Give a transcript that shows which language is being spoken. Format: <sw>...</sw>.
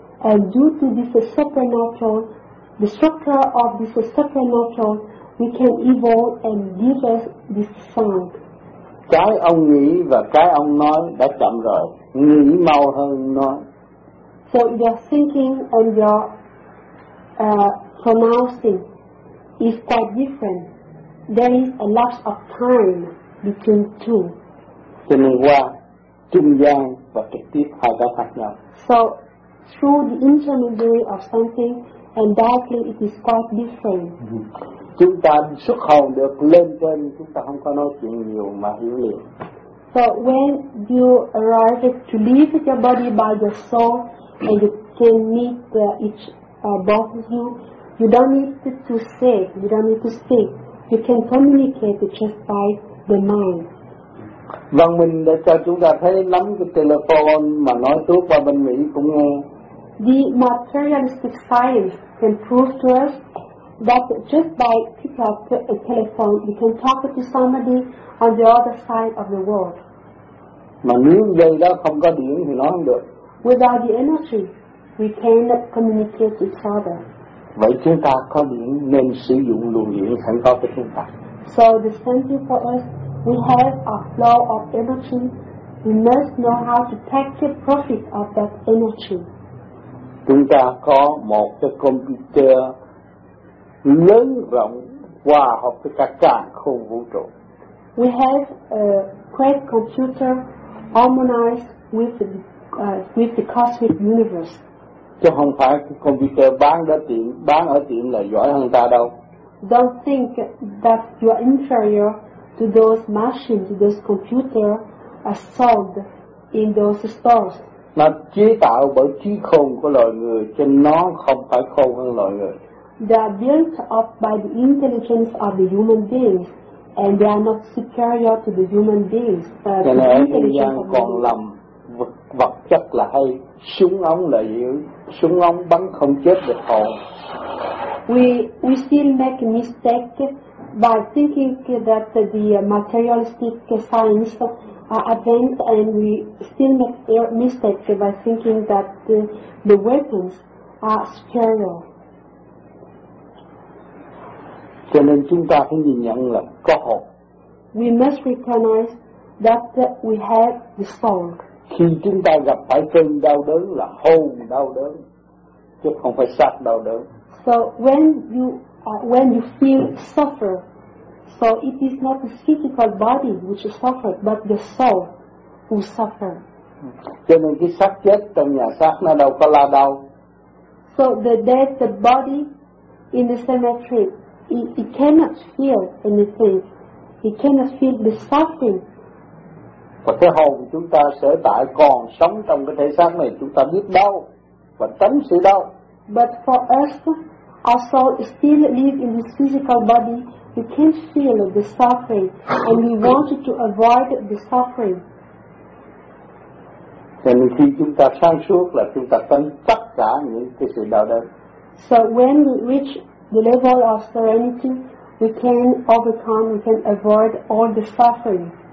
<en>And due to this supernatural, the structure of this supernatural, we can evolve and give us this sound.</en> <vi>Cái ông nghĩ và cái ông nói đã chậm rồi, nghĩ mau hơn nói.</vi> <en>So your thinking and your pronouncing is quite different. There is a lapse of time between two.</en> <vi>Cho nên qua trung gian và trực tiếp hai cái khác nhau.</vi> <en>So through the intermediary of something and directly it is quite different.</en> <vi>Chúng ta xuất hồn được lên trên, chúng ta không có nói chuyện nhiều mà hiểu liền.</vi> <en>So when you arrive to leave your body by your soul and you can meet each both of you, you don't need to say, you don't need to speak. You can communicate just by the mind.</en> <vi>Văn minh đã cho chúng ta thấy lắm cái telephone mà nói tốt qua bên Mỹ cũng nghe.</vi> <en>The materialistic science can prove to us that just by picking up a telephone, you can talk to somebody on the other side of the world.</en> <vi>Mà nếu dây đó không có điện thì nói không được.</vi> <en>Without the energy, we cannot communicate with each other.</en> <vi>Vậy chúng ta có điện nên sử dụng luồng điện sẵn có của chúng ta.</vi> <en>So the same thing for us, we have a flow of energy. We must know how to take the profit of that energy.</en> <vi>Chúng ta có một cái computer lớn rộng hòa hợp với cả càn khôn vũ trụ.</vi> <en>We have a great computer harmonized with the cosmic universe.</en> <vi>Chứ không phải cái computer bán ở tiệm là giỏi hơn ta đâu.</vi> <en>Don't think that you are inferior to those machines, to those computers are sold in those stones.</en> <vi>Nó chế tạo bởi trí khôn của loài người, cho nó không phải khôn hơn loài người.</vi> <en>They are built up by the intelligence of the human beings, and they are not superior to the human beings.</en> <vi>Cho nên ở thế gian còn lầm vật chất là hay, súng ống là dữ, súng ống bắn không chết được hồn.</vi> <en>We still make a mistake by thinking that the materialistic science advanced, and we still make a mistake by thinking that the weapons are superior.</en> <vi>Cho nên chúng ta phải nhìn nhận là có hồn.</vi> <en>We must recognize that we have the soul.</en> <vi>Khi chúng ta gặp phải cơn đau đớn là hồn đau đớn, chứ không phải xác đau đớn.</vi> <en>So when you feel suffer, so it is not the physical body which suffered, but the soul who suffered.</en> <vi>Cho nên cái xác chết trong nhà xác nó đâu có la đau.</vi> <en>So the dead, the body in the cemetery, he cannot feel anything. He cannot feel the suffering.</en> <vi>Và cái hồn chúng ta sở tại còn sống trong cái thể xác này, chúng ta biết đau và tránh sự đau.</vi> <en>But for us, our soul still live in this physical body. We can't feel the suffering, and we want to avoid the suffering.</en> <vi>Cho nên khi chúng ta sáng suốt là chúng ta tránh tất cả những cái sự đau đớn.</vi> <en>So when we reach the level of serenity, we can overcome, we can avoid all the suffering.</en>